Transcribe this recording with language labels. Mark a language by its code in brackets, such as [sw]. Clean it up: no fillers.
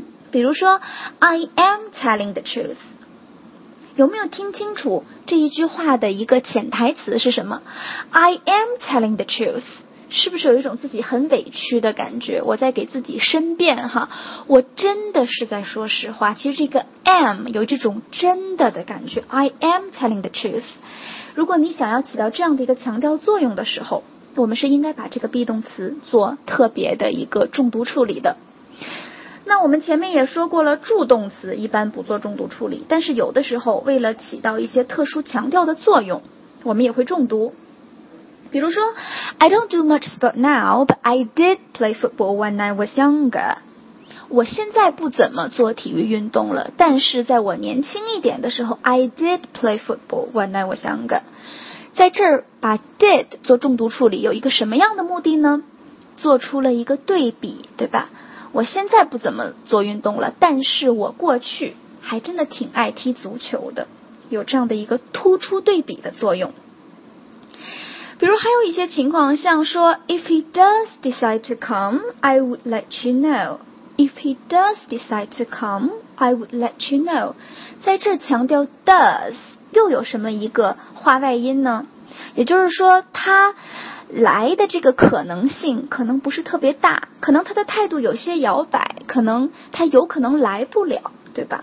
[zh] 比如说 [en] I am telling the truth， [zh] 有没有听清楚这一句话的一个潜台词是什么？ [en] I am telling the truth， [zh] 是不是有一种自己很委屈的感觉？我在给自己申辩哈，我真的是在说实话。其实这个 am 有这种真的感觉， [en] I am telling the truth。 [zh] 如果你想要起到这样的一个强调作用的时候，我们是应该把这个 be 动词做特别的一个重读处理的。那我们前面也说过了，助动词一般不做重读处理，但是有的时候为了起到一些特殊强调的作用，我们也会重读。比如说 [en] I don't do much sport now, but I did play football when I was younger。 [zh] 我现在不怎么做体育运动了，但是在我年轻一点的时候， [en] I did play football when I was younger。 [zh] 在这儿把 did 做重读处理，有一个什么样的目的呢？做出了一个对比，对吧？我现在不怎么做运动了，但是我过去还真的挺爱踢足球的，有这样的一个突出对比的作用。比如还有一些情况，像说 [en] If he does decide to come, I would let you know. If he does decide to come, I would let you know. [zh] 在这强调 does，又有什么一个话外音呢？也就是说他来的这个可能性可能不是特别大，可能他的态度有些摇摆，可能他有可能来不了，对吧？